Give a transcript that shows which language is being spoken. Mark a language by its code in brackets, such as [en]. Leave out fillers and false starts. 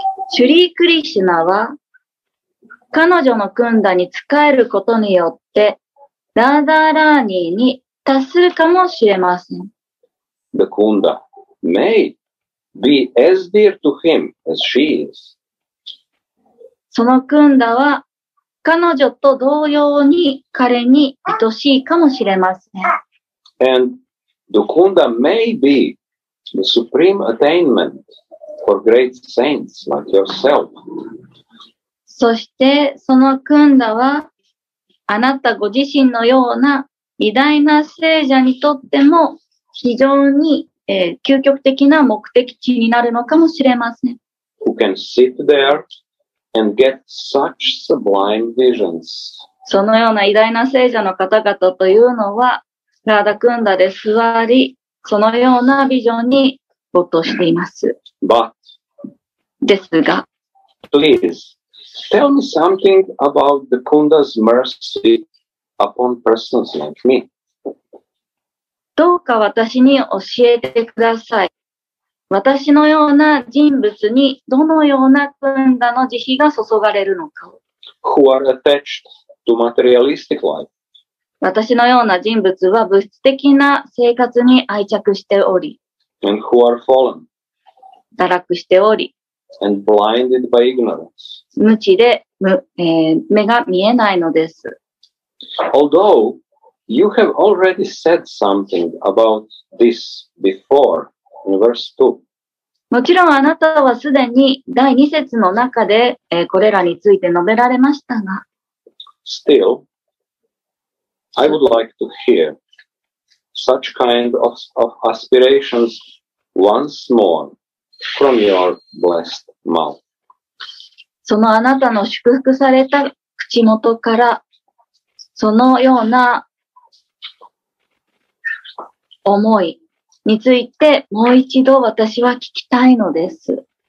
[ja] シュリー・クリシュナは彼女のクンダに仕えることによってラーダーラーニーに達するかもしれません。 [en] The Kunda may be as dear to him as she is. [ja] そのクンダは彼女と同様に彼に愛しいかもしれません。 [en] And the Kunda may be the supreme attainment for great saints like yourself. [ja] そしてそのクンダはあなたご自身のような偉大な聖者にとっても非常に、究極的な目的地になるのかもしれません。 [en] Who can sit there and get such sublime visions. [ja] そのような偉大な聖者の方々というのはラーダクンダで座り、そのようなビジョンに没頭しています。 [en] But, [ja] ですが、 [en] Please, tell me something about the Kunda's mercy upon persons like me. [ja] どうか私に教えてください。私のような人物にどのようなクンダの慈悲が注がれるのか。 [en] Who are attached to materialistic life. [ja] 私のような人物は物質的な生活に愛着しており、 [en] And who are fallen. [ja] 堕落しており、 [en] And blinded by ignorance. [ja] 無知で、目が見えないのです。 [en] Although you have already said something about this before, in verse 2. [ja] もちろんあなたはすでに第2節の中で、これらについて述べられましたが、 [en] Still,I would like to hear such kind of aspirations once more from your blessed mouth. [ja] そのあなたの祝福された口元から、そのような思いについてもう一度私は聞きたいのです。